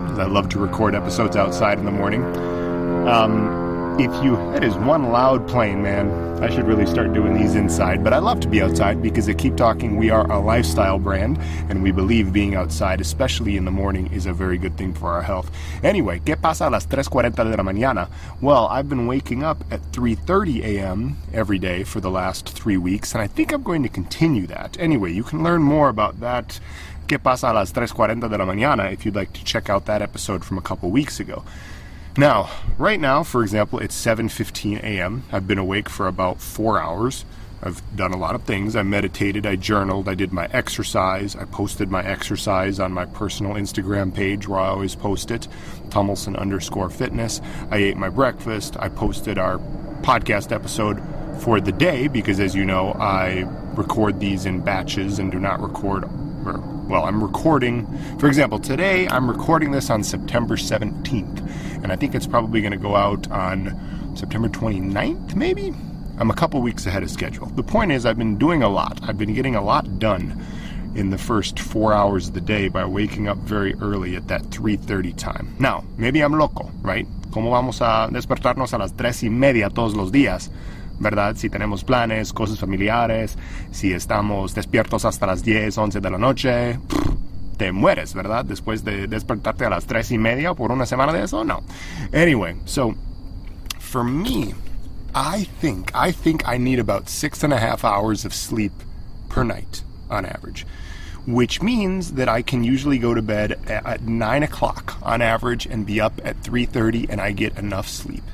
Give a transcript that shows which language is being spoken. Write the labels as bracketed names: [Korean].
[English] I love to record episodes outside in the morning. That is one loud plane, man. I should really start doing these inside. But I love to be outside because at Keep Talking, we are a lifestyle brand. And we believe being outside, especially in the morning, is a very good thing for our health. [Spanish] Anyway, ¿qué pasa a las 3:40 de la mañana? [English] Well, I've been waking up at 3:30 a.m. every day for the last 3 weeks. And I think I'm going to continue that. Anyway, you can learn more about that. [Spanish] ¿Qué pasa a las 3:40 de la mañana? [English] If you'd like to check out that episode from a couple weeks ago. Now, right now, for example, it's 7:15 a.m. I've been awake for about 4 hours. I've done a lot of things. I meditated, I journaled, I did my exercise. I posted my exercise on my personal Instagram page where I always post it, Tomlinson_fitness. I ate my breakfast. I posted our podcast episode for the day because, as you know, I record these in batches and do not record. Well, I'm recording, for example, today I'm recording this on September 17th, and I think it's probably going to go out on September 29th, maybe? I'm a couple weeks ahead of schedule. The point is, I've been doing a lot. I've been getting a lot done in the first 4 hours of the day by waking up very early at that 3:30 time. Now, maybe I'm loco, right? [Spanish] ¿Cómo vamos a despertarnos a las 3:30 todos los días? ¿Verdad? Si tenemos planes, cosas familiares, si estamos despiertos hasta las 10, 11 de la noche, te mueres, ¿verdad? Después de despertarte a las 3:30 por una semana de eso, no. [English] Anyway, so for me, I think I need about 6.5 hours of sleep per night on average, which means that I can usually go to bed at 9 o'clock on average and be up at 3:30 and I get enough sleep.